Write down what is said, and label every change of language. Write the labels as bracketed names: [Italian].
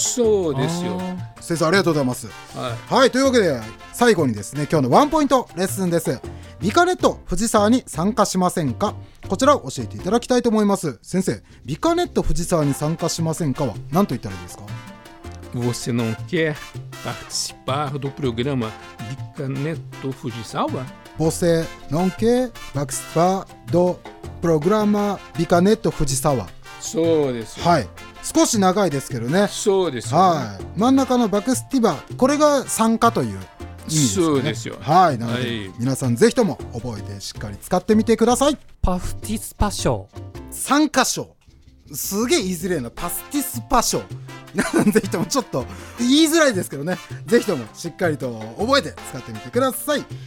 [Japanese] そうですよ、先生ありがとうございます。はい、はい、というわけで最後にですね、今日のワンポイントレッスンです。ビカネット藤沢に参加しませんか、こちらを教えていただきたいと思います。先生、ビカネット藤沢に参加しませんかは何と言ったらいいですか。 [Portuguese] Você não quer participar do programa ビカネット藤沢。 Você não quer participar do programa ビカネット藤沢。 [Japanese] そうですよ、はい、少し長いですけどね。そうですよ、はい、真ん中のバクスティバ、これが参加という意味ですね。そうですよ、はい、なので、はい、皆さんぜひとも覚えてしっかり使ってみてください。パフティスパ賞、参加賞、すげえ言いづらいな、パスティスパ賞ぜひともちょっと言いづらいですけどね、ぜひともしっかりと覚えて使ってみてください。